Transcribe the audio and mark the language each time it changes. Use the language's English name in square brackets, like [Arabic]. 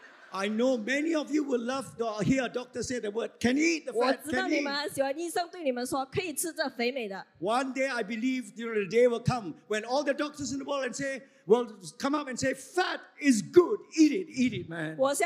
[English] I know many of you will love to hear a doctor say the word, can eat the fat, [Chinese] 我知道你们喜欢医生对你们说，可以吃这肥美的。 [English] One day I believe the day will come when all the doctors in the world and say, will come up and say, fat is good, eat it, man.